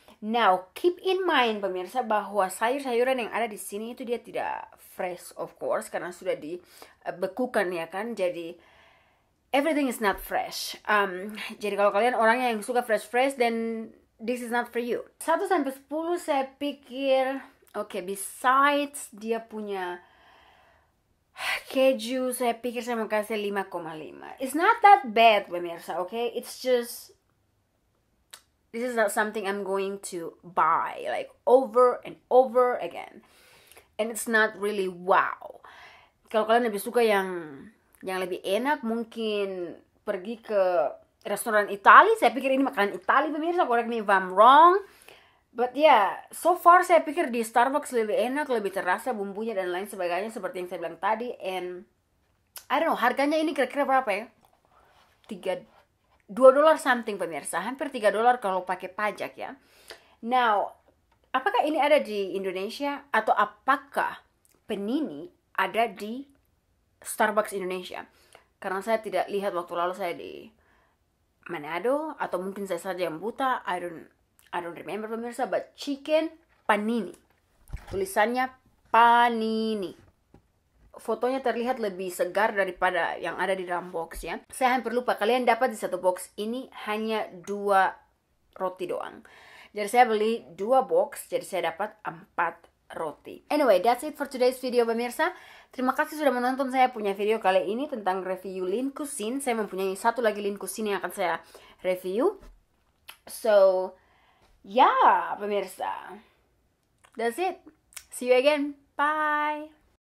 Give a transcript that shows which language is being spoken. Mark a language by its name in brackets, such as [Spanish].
[English] Now, keep in mind [Indonesian] pemirsa bahwa sayur-sayuran yang ada di sini itu dia tidak fresh of course karena sudah dibekukan ya kan. [English] Jadi everything is not fresh. [Indonesian] Jadi kalau kalian orangnya yang suka fresh-fresh [English] then this is not for you. [Indonesian] 1 sampai 10 saya pikir okay, besides dia punya keju, saya pikir saya mau kasih 5,5. [English] It's not that bad, pemirsa, okay? It's just, this is not something I'm going to buy, like, over and over again. And it's not really wow. [Indonesian] Kalau kalian lebih suka yang lebih enak, mungkin pergi ke restoran Itali. Saya pikir ini makanan Itali, pemirsa, [English] correct me if I'm wrong. But yeah, [Indonesian] so far saya pikir di Starbucks lebih enak, lebih terasa bumbunya dan lain sebagainya seperti yang saya bilang tadi. [English] And I don't know, [Indonesian] harganya ini kira-kira berapa ya? $2 something pemirsa, hampir $3 kalau pakai pajak ya. Now, apakah ini ada di Indonesia atau apakah Panini ada di Starbucks Indonesia? Karena saya tidak lihat waktu lalu saya di Manado atau mungkin saya saja yang buta, [English] I don't remember [Indonesian] pemirsa, but chicken panini. Tulisannya panini. Fotonya terlihat lebih segar daripada yang ada di dalam box ya. Saya hampir lupa, kalian dapat di satu box ini hanya 2 roti doang. Jadi saya beli 2 box, jadi saya dapat 4 roti. [English] Anyway, that's it for today's video pemirsa. [Indonesian] Terima kasih sudah menonton saya punya video kali ini tentang review Lean Cuisine. Saya mempunyai satu lagi Lean Cuisine yang akan saya review. [English] So, ya, pemirsa. That's it. See you again. Bye.